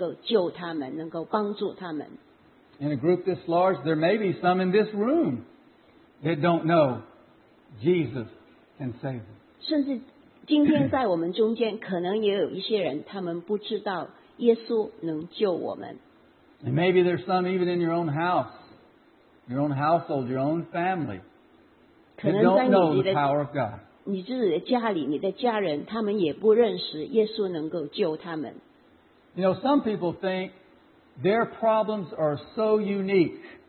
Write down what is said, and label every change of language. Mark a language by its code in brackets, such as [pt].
[zh] 今天有很多人在世界各地，甚至在温哥华，他们还不认识有一个神，这个神能够救他们，能够帮助他们。 [en] In a group this large, there may be some in this room that don't know Jesus can save them. [zh] 甚至今天在我们中间，可能也有一些人，他们不知道耶稣能救我们。 [en] And maybe there's some even in your own house, your own household, your own family. Don't know the power of God. You know, some people think their problems are so unique.